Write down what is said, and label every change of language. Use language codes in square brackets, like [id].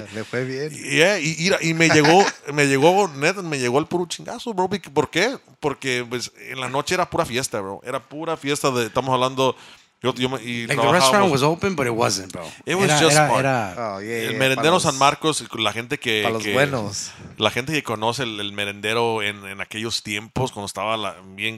[es] Y me llegó, Ned, me llegó el puro chingazo, bro. ¿Por qué? Porque pues, en la noche era pura fiesta, bro. Era pura fiesta. Estamos hablando [en] Like, the restaurant was open, but it wasn't, bro. It was just part. Oh, yeah, [es] Merendero San Marcos, la gente que... Para los que, buenos. La gente que conoce el merendero en aquellos tiempos, cuando estaba bien...